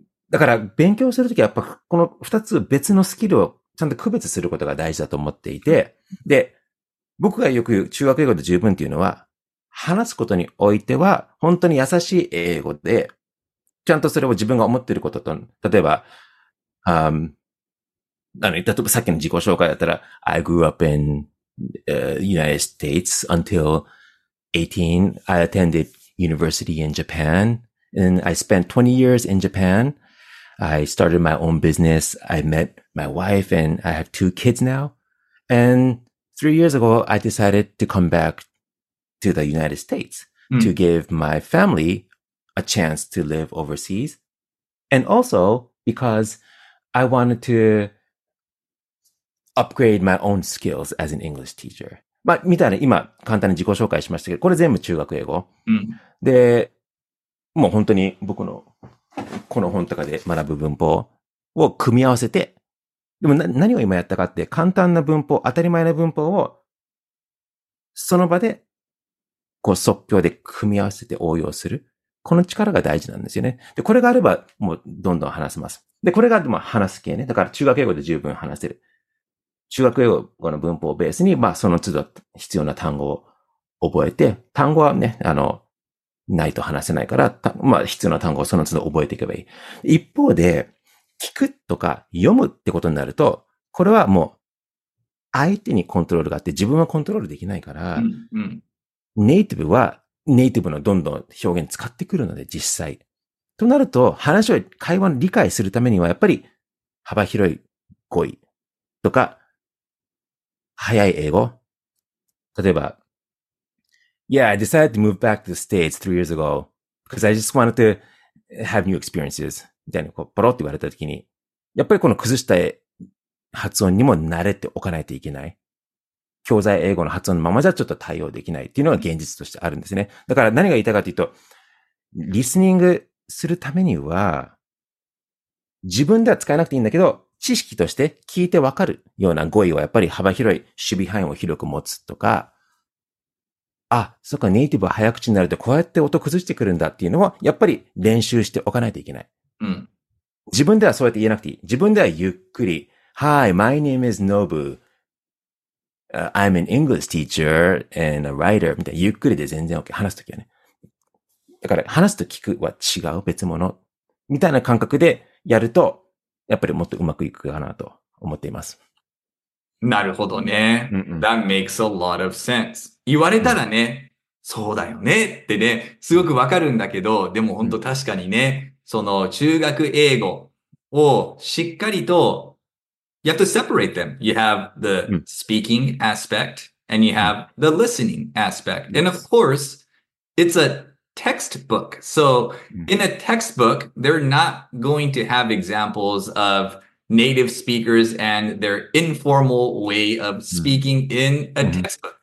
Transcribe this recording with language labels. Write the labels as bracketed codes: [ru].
[ja] だから、勉強するときはやっぱ、この二つ別のスキルをちゃんと区別することが大事だと思っていて、で、僕がよく言う中学英語で十分っていうのは、話すことにおいては、本当に優しい英語で、ちゃんとそれを自分が思っていることと、例えば、例えばさっきの自己紹介だったら、 [en] I grew up in、United States until 18. I attended university in Japan. And I spent 20 years in Japan. I started my own business. I met my wife and I have two kids now. And 3 years ago, I decided to come back to the United States to give my family a chance to live overseas. And also because I wanted to upgrade my own skills as an English teacher. [ja] まあ、みたいな、今、簡単に自己紹介しましたけど、これ全部中学英語。で、もう本当に僕のこの本とかで学ぶ文法を組み合わせて、でも何を今やったかって、簡単な文法、当たり前な文法を、その場で、こう即興で組み合わせて応用する。この力が大事なんですよね。で、これがあれば、もうどんどん話せます。で、これが、まあ、話す系ね。だから中学英語で十分話せる。中学英語の文法をベースに、まあ、その都度必要な単語を覚えて、単語はね、ないと話せないから、まあ、必要な単語をその都度覚えていけばいい。一方で、聞くとか読むってことになると、これはもう、相手にコントロールがあって、自分はコントロールできないから、ネイティブは、ネイティブのどんどん表現使ってくるので、実際。となると、話を、会話の理解するためには、やっぱり、幅広い語彙とか、早い英語。 [en] 例えば、Yeah, I decided to move back to the States 3 years ago because I just wanted to have new experiences. [ja] みたいな、こう、ポロって言われた時に、やっぱりこの崩した発音にも慣れておかないといけない。教材英語の発音のままじゃちょっと対応できないっていうのが現実としてあるんですね。だから何が言いたいかというと、リスニングするためには、自分では使えなくていいんだけど、知識として聞いてわかるような語彙はやっぱり幅広い守備範囲を広く持つとか、あ、そっか、ネイティブは早口になるとこうやって音崩してくるんだっていうのはやっぱり練習しておかないといけない。自分ではそうやって言えなくていい。自分ではゆっくり、 [en] Hi, my name is Nobu. I'm an English teacher and a writer. [ja] みたいな、ゆっくりで全然 OK。話すときはね。だから話すと聞くは違う、別物。みたいな感覚でやると、やっぱりもっとうまくいくかなと思っています。なるほどね。 [en] That makes a lot of sense. [ja] 言われたらね、そうだよねってね、すごくわかるんだけど、でも本当確かにね、その中学英語をしっかりと、 [en] you have to separate them. You have the speaking aspect and you have the listening aspect. And of course, it's a textbook. So in a textbook, they're not going to have examples of native speakers and their informal way of speaking in a textbook.